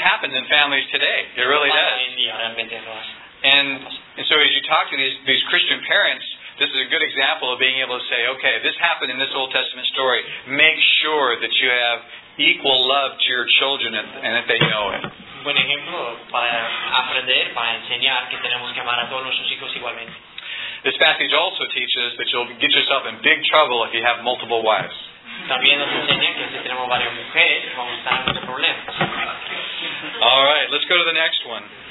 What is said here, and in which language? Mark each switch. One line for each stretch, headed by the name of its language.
English: happens in families today. It really does. And so as you talk to these Christian parents, this is a good example of being able to say, okay, this happened in this Old Testament story. Make sure that you have equal love to your children and that they know it.
Spanish: Buen ejemplo para aprender, para enseñar que tenemos que amar a todos nuestros hijos igualmente.
English: This passage also teaches that you'll get yourself in big trouble if you have multiple wives.
Spanish: También nos enseña que si tenemos varias mujeres vamos a estar en muchos problemas.
English: All right, let's go to the next one.